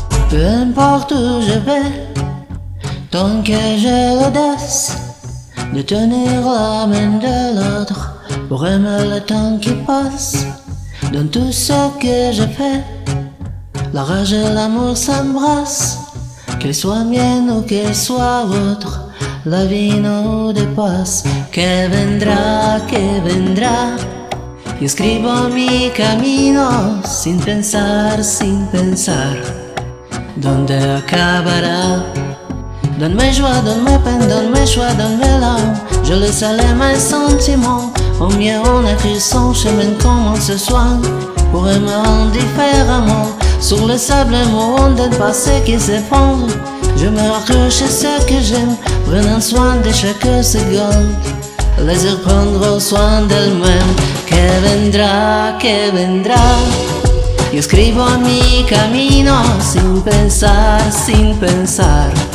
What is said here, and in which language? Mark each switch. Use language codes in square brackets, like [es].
[fr] Peu importe où je vais, tant que j'ai l'audace de tenir la main de l'autre pour aimer le temps qui passe. Dans tout ce que je fais, la rage et l'amour s'embrassent, qu'elle soit mienne ou qu'elle soit vôtre, la vie nous dépasse. [es] Que vendrá, que vendrá? Yo escribo mi camino sin pensar, sin pensar. ¿Dónde acabará? [fr] Donne-moi joie, donne-moi peine, donne-moi choix, donne-moi larmes. Je laisse aller mes sentiments. Au mieux, on écrit son chemin comme on se soigne. Pour aimer indifféremment. Sur le sable, mon monde est passé qui s'effondre. Je me raccroche à ce que j'aime, prenant soin de chaque seconde. Laissez prendre soin d'elle-même. [es] Que vendrá, que vendrá? Yo escribo mi camino sin pensar, sin pensar.